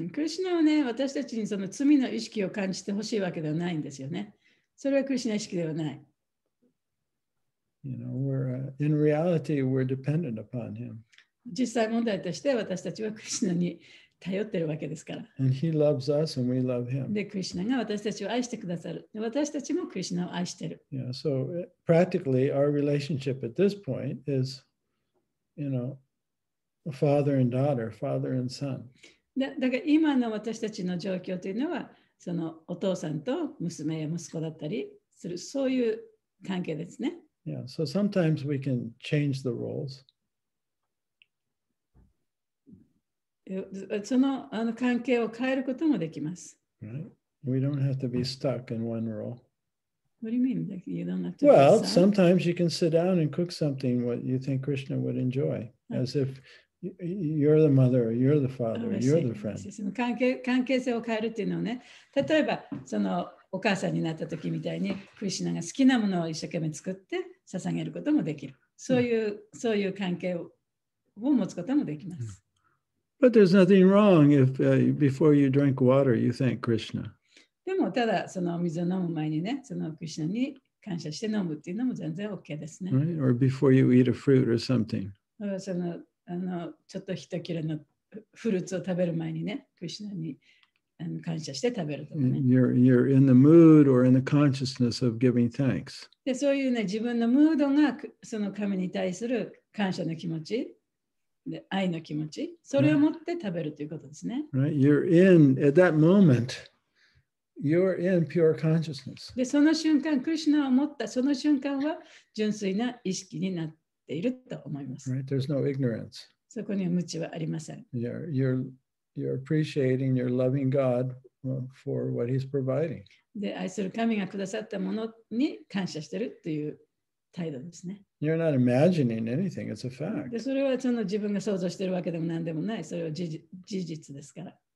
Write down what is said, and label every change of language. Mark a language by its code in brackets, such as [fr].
[ja] Krishna はね、私たちにその罪の意識を感じてほしいわけではないんですよね。それは Krishna 意識ではない。 [en] You know, we're in reality, we're dependent upon him. [ja] 実際問題として私たちは Krishna に頼ってるわけですから。 [en] And he loves us and we love him. [ja] で、クリシナが私たちを愛してくださる。私たちもクリシナを愛してる。 [en] Yeah, so practically our relationship at this point is, you know, father and daughter, father and son. [ja] だから今の私たちの状況というのは、そのお父さんと娘や息子だったりする、そういう関係ですね。 [en] Yeah, so sometimes we can change the roles. [ja] その関係を変えることもできます。 [en] Right. We don't have to be stuck in one role. What do you mean? Like, you don't have to well, sometimes you can sit down and cook something what you think Krishna would enjoy, as if you're the mother, or you're the father, or you're the friend. [ja] その関係性を変えるっていうのはね、例えばそのお母さんになった時みたいに、クリシナが好きなものを一生懸命作って捧げることもできる。そういう関係を持つこともできます。 Mm-hmm. [en] But there's nothing wrong if before you drink water, you thank Krishna. [ja] でもただその水を飲む前にね、そのクリシナに感謝して飲むっていうのも全然 OK ですね。 [en] Right? Or before you eat a fruit or something. [ja] そのちょっと一切れのフルーツを食べる前にね、クリシナに感謝して食べるとかね。 [en] You're in the mood or in the consciousness of giving thanks. [ja] で、そういうね、自分のムードがその神に対する感謝の気持ち。で愛の気持ち、それを持って食べるということですね。 [en] Right. You're in, at that moment, you're in pure consciousness. [ja] で、その瞬間、クリシュナを持ったその瞬間は純粋な意識になっていると思います。 [en] Right. There's no ignorance. [ja] そこには無知はありません。 [en] You're appreciating, you're loving God for what he's providing. [ja] で、愛する神がくださったものに感謝してるという態度ですね。 [en] You're not imagining anything. It's a fact. [ja] で、それはその自分が想像しているわけでも何でもない。それは事実ですから。